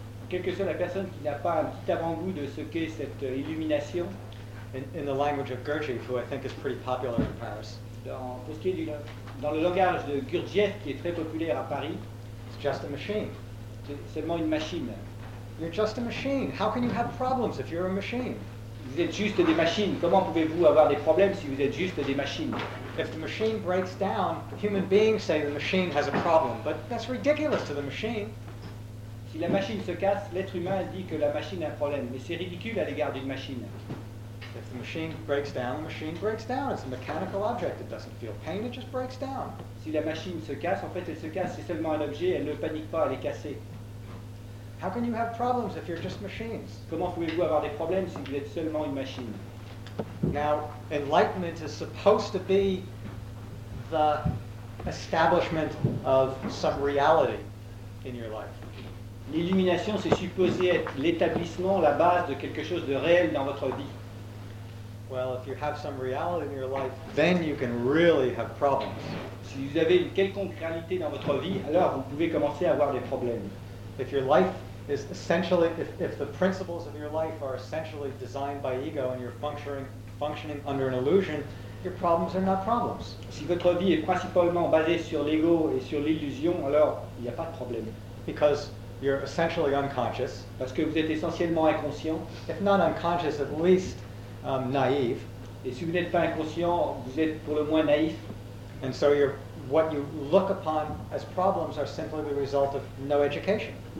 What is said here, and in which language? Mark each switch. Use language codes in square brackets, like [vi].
[fr] Quelle que soit la personne qui n'a pas un petit avant-goût de ce qu'est cette illumination. [en] In the language of Gurdjieff, who I think is pretty popular in Paris. [fr] Dans le langage de Gurdjieff, qui est très populaire à Paris. [en] It's just a machine. [fr] C'est seulement une machine. [en] You're just a machine. How can you have problems if you're a machine? [fr] Vous êtes juste des machines. Comment pouvez-vous avoir des problèmes si vous êtes juste des machines? [en] If the machine breaks down, human beings say the machine has a problem. But that's ridiculous to the machine. [fr] Si la machine se casse, l'être humain dit que la machine a un problème, mais c'est ridicule à l'égard d'une machine. [en] If the machine breaks down, the machine breaks down. It's a mechanical object. It doesn't feel pain, it just breaks down. [fr] Si la machine se casse, en fait elle se casse, c'est seulement un objet, elle ne panique pas, elle est cassée. [en] How can you have problems if you're just machines? [fr] Comment pouvez-vous avoir des problèmes si vous êtes seulement une machine? [en] Now, enlightenment is supposed to be the establishment of some reality in your life. [fr] L'illumination, c'est supposé être l'établissement, la base de quelque chose de réel dans votre vie. [en] Well, if you have some reality in your life, then you can really have problems. [fr] Si vous avez une quelconque réalité dans votre vie, alors vous pouvez commencer à avoir des problèmes. [en] If your life is essentially, if the principles of your life are essentially designed by ego and you're functioning under an illusion, your problems are not problems. [fr] Si votre vie est principalement basée sur l'ego et sur l'illusion, alors il n'y a pas de problème. [en] Because You're essentially unconscious. [fr] Parce que vous êtes essentiellement inconscient. [en] If not unconscious, at least naïf. [fr] Et si vous n'êtes pas inconscient, vous êtes pour le moins naïf. [en] And so you're, what you look upon as problems are simply the result of no education.